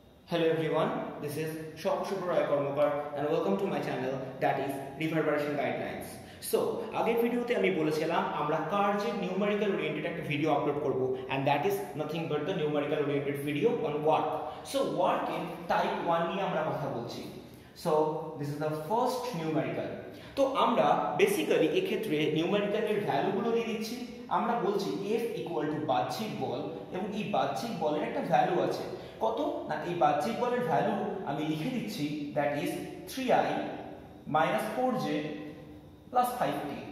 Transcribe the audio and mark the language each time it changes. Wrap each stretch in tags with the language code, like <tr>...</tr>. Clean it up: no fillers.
<en>Hello everyone, this is Shop Shubhra Kormokar and welcome to my channel that is Reverberation Guidelines.</en> <bn>So, আগের ভিডিওতে আমি বলেছিলাম আমরা কার্জের numerical oriented একটা video upload করব</bn> <en>and that is nothing but the numerical oriented video on work. So, work in type 1</en> <bn>নিয়ে আমরা কথা বলছি.</bn> <en>So, this is the first numerical.</en> <bn>তো আমরা বেসিক্যালি এই ক্ষেত্রে নিউমেরিক্যালের ভ্যালুগুলো দিয়ে দিচ্ছি. আমরা বলছি f equal to বাহ্যিক বল এবং এই বাহ্যিক বলের একটা ভ্যালু আছে. কত না এই বাহ্যিক বলের ভ্যালু আমি লিখে দিচ্ছি that is 3i minus 4j plus 5t.</bn>